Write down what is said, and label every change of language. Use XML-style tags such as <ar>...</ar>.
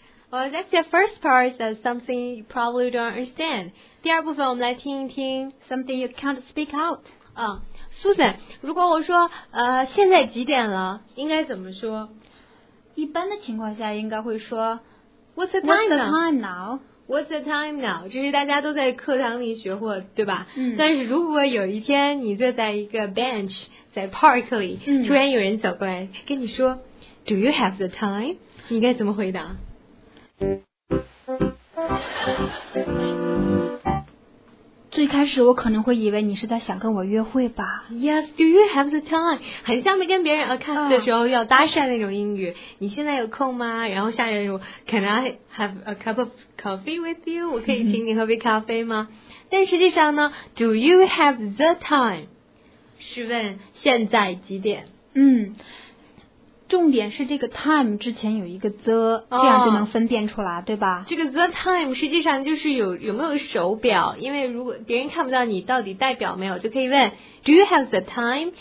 <en>Well, that's the first part of something you probably don't understand.</en> <zh>第二部分我们来听一听</zh> <en>something you can't speak out.</en> <zh>Susan, 如果我说现在几点了，应该怎么说？一般的情况下应该会说</zh> <en>What's the time now? What's the time now?</en> <zh>这是大家都在课堂里学过，对吧？但是如果有一天你坐在一个 bench 在 park 里，突然有人走过来跟你说</zh> <en>Do you have the time?</en> <zh>你该怎么回答？最开始我可能会以为你是在想跟我约会吧。</zh> <en>Yes, do you have the time?</en> <zh>很像没跟别人 account 的时候要搭讪那种英语。你现在有空吗？然后下一句</zh> <en>Can I have a cup of coffee with you?</en> <zh>我可以请你喝杯咖啡吗？但实际上呢 ,</zh> <en>do you have the time?</en> <zh>是问现在几点。重点是这个 time 之前有一个 the, 这样就能分辨出来，对吧？这个 the time 实际上就是有没有手表，因为如果别人看不到你到底戴表没有，就可以问</zh> <en>Do you have the time?</en>